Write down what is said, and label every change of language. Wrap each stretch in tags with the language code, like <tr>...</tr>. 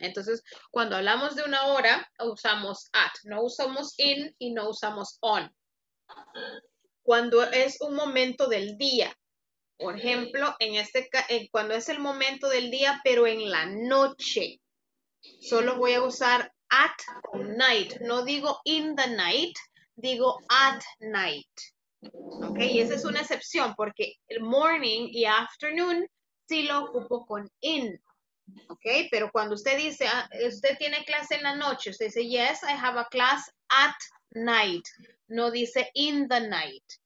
<es>Entonces, cuando hablamos de una hora, usamos at. No usamos in y no usamos on. Cuando es un momento del día, por ejemplo, cuando es el momento del día, pero en la noche, solo voy a usar</es> <en>at night.</en> <es>No digo</es> <en>in the night,</en> <es>digo</es> <en>at night.</en> <es>Ok, y esa es una excepción porque el morning y afternoon sí lo ocupo con in. Ok, pero cuando usted dice, usted tiene clase en la noche, usted dice,</es> <en>yes, I have a class at night.</en> <es>No dice</es> <en>in the night.</en>